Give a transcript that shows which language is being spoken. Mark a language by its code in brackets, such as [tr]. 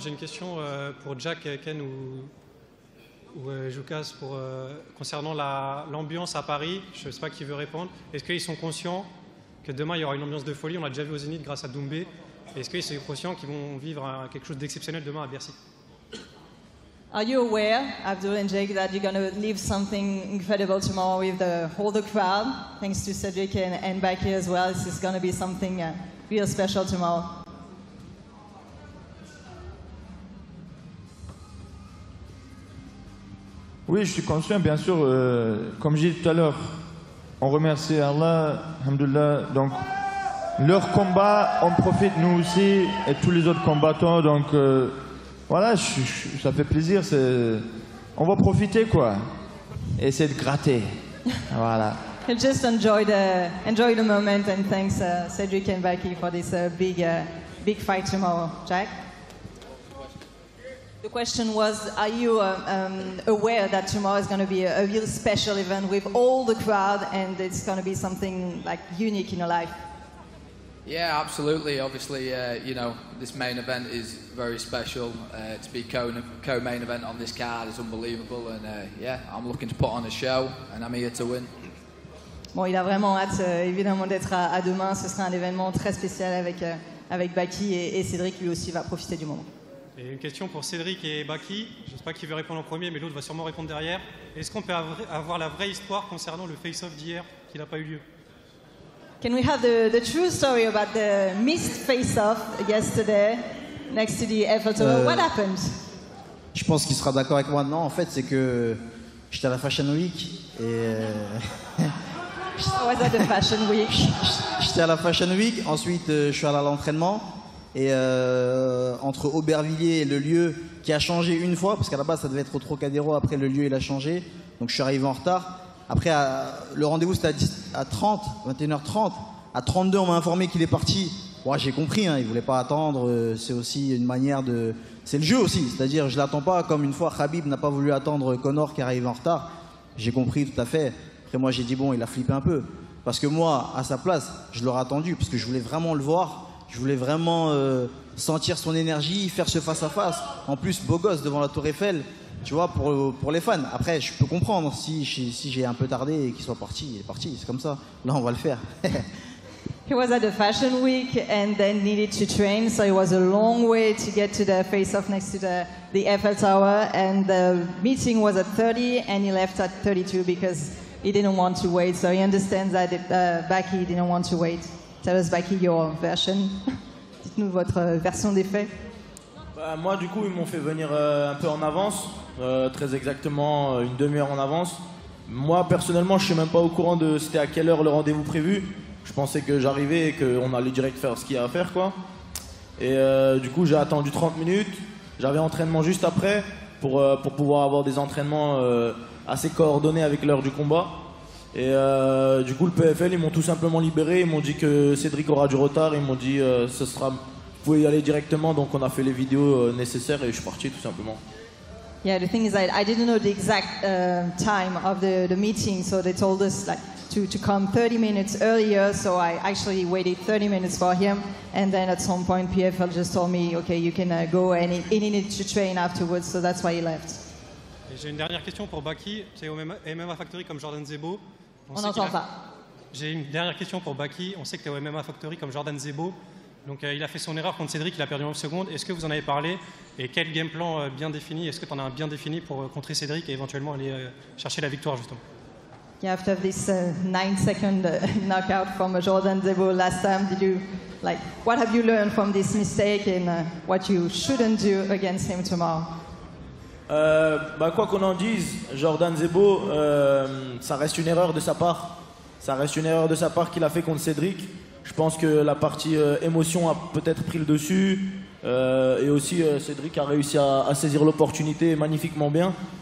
[fr] J'ai une question pour Jack, Ken ou Jukas concernant l'ambiance à Paris. Je ne sais pas qui veut répondre. Est-ce qu'ils sont conscients que demain il y aura une ambiance de folie? On l'a déjà vu au Zénith grâce à Doumbé. Est-ce qu'ils sont conscients qu'ils vont vivre quelque chose d'exceptionnel demain à Bercy? [en] Are you aware, Abdul and Jake, that you're going to live something incredible tomorrow with all the crowd? Thanks to Cedric and back here as well. This is going to be something real special tomorrow. [fr] Oui, je suis conscient, bien sûr, comme j'ai dit tout à l'heure, on remercie Allah, alhamdoulilah, donc leur combat, on profite nous aussi, et tous les autres combattants, donc voilà, ça fait plaisir, on va profiter quoi, et essayer de gratter, voilà. [en] Just enjoy the moment, and thanks Cedric and Becky for this big fight tomorrow, Jack. The question was, are you aware that tomorrow is going to be a real special event with all the crowd and it's going to be something like unique in your life? Yeah, absolutely. Obviously, you know, this main event is very special. To be co-main event on this card is unbelievable. And yeah, I'm looking to put on a show and I'm here to win. [fr] Bon, il a vraiment hâte, évidemment, d'être à demain. Ce sera un événement très spécial avec Baki et Cédric, lui aussi, va profiter du moment. Et une question pour Cédric et Baki. Je ne sais pas qui veut répondre en premier, mais l'autre va sûrement répondre derrière. Est-ce qu'on peut avoir la vraie histoire concernant le face-off d'hier qui n'a pas eu lieu? [en] Can we have the true story about the missed face-off yesterday next to the Eiffel Tower? What happened? [fr] Je pense qu'il sera d'accord avec moi. Non, en fait, c'est que j'étais à la Fashion Week et. [en] How was that the Fashion Week? [fr] J'étais à la Fashion Week, ensuite je suis allé à l'entraînement. Et entre Aubervilliers et le lieu qui a changé une fois, parce qu'à la base ça devait être au Trocadéro, après le lieu il a changé, donc je suis arrivé en retard. Après le rendez-vous c'était à 21h30, à 32 on m'a informé qu'il est parti. Bon, j'ai compris, hein, il voulait pas attendre, c'est aussi une manière de... C'est le jeu aussi, c'est-à-dire je l'attends pas, comme une fois Khabib n'a pas voulu attendre Conor qui arrive en retard. J'ai compris tout à fait, après moi j'ai dit bon, il a flippé un peu. Parce que moi, à sa place, je l'aurais attendu, parce que je voulais vraiment le voir. Je voulais vraiment sentir son énergie, faire ce face-à-face. En plus, beau gosse devant la Tour Eiffel, tu vois, pour les fans. Après, je peux comprendre si j'ai un peu tardé et qu'il soit parti. Il est parti, c'est comme ça. Là, on va le faire. [en] He was at the Fashion Week and then needed to train, so it was a long way to get to the face-off next to the Eiffel Tower. And the meeting was at 30 and he left at 32 because he didn't want to wait. So he understands that Baki didn't want to wait. Tell us, Baki, your version. [fr] Dites-nous votre version des faits. Bah, moi, du coup, ils m'ont fait venir un peu en avance, très exactement une demi-heure en avance. Moi, personnellement, je ne suis même pas au courant de c'était à quelle heure le rendez-vous prévu. Je pensais que j'arrivais et qu'on allait direct faire ce qu'il y a à faire, quoi. Et du coup, j'ai attendu 30 minutes. J'avais entraînement juste après. pour pouvoir avoir des entraînements assez coordonnés avec l'heure du combat. Et du coup, le PFL, ils m'ont tout simplement libéré. Ils m'ont dit que Cédric aura du retard. Ils m'ont dit ce sera, vous pouvez y aller directement. Donc, on a fait les vidéos nécessaires et je suis parti tout simplement. [en] Yeah, the thing is that I didn't know the exact time of the meeting, so they told us like to come 30 minutes earlier. So I actually waited 30 minutes for him, and then at some point, PFL just told me, okay, you can go and he needed to train afterwards. So that's why he left. [fr] J'ai une dernière question pour Baki. Tu es au MMA Factory comme Jordan Zebo. On n'entend pas. J'ai une dernière question pour Baki. On sait que tu es au MMA Factory comme Jordan Zebo. Donc il a fait son erreur contre Cédric, il a perdu 9 secondes. Est-ce que vous en avez parlé? Et quel game plan bien défini? Est-ce que tu en as un bien défini pour contrer Cédric et éventuellement aller chercher la victoire justement? [en] Yeah, after this 9 second knockout from Jordan Zebo last time, did you like what have you learned from this mistake and what you shouldn't do against him tomorrow? [fr] Quoi qu'on en dise, Jordan Zebo, ça reste une erreur de sa part. Ça reste une erreur de sa part qu'il a fait contre Cédric. Je pense que la partie émotion a peut-être pris le dessus. Et aussi, Cédric a réussi à saisir l'opportunité magnifiquement bien.